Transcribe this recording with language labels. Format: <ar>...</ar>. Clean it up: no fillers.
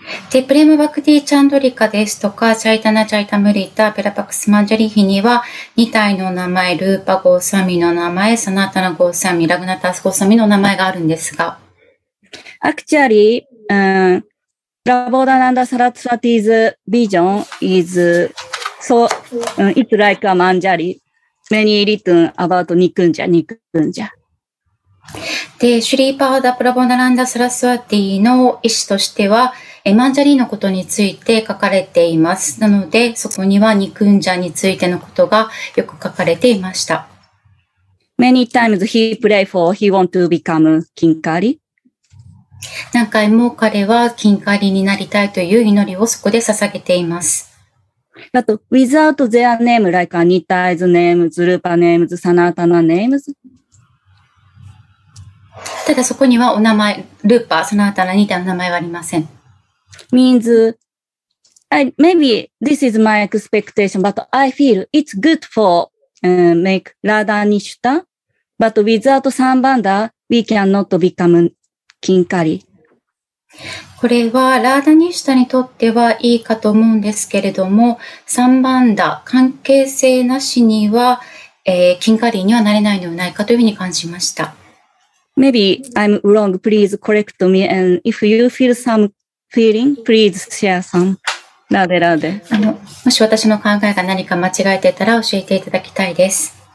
<ja>で、Prema Bhakti Chandrika ですとか、Chaitanya Charitamrita, Virapak Samandari 日には、Nitai の名前、Rupa Goswami の名前、Sanatana Goswami、Raghunatha Goswami の名前があるんですが、</ja> <en>Actually, Prabodhananda Saraswati's vision is so, it's like a manjari, many written about Nikunja, Nikunja.</en> <ja>で、シュリーパーダ・プラボダナンダ・サラスワティの意思としては、マンジャリのことについて書かれています。なので、そこにはニクンジャについてのことがよく書かれていました。</ja> <en>Many times he prayed for he want to become Kinkari.</en> <ja>何回も彼は金刈りになりたいという祈りをそこで捧げています。</ja> <en>あと、without their name, like Anita's name, Zrupa name, Sanatana name.</en> <ja>ただそこにはお名前、ルーパー、サナータナ、ニタの名前はありません。</ja> <en>means, maybe this is my expectation, but I feel it's good for, make Radha Nishita, but without Sambanda, we cannot become金刈り。</en> <ja>これはラーダニシュタにとってはいいかと思うんですけれども、サンバンダ関係性なしには、金刈りにはなれないのではないかというふうに感じました。</ja> <en>Maybe I'm wrong. Please correct me. And if you feel some feeling, please share some. ラデラデ。</en> <ja>もし私の考えが何か間違えてたら教えていただきたいです。</ja>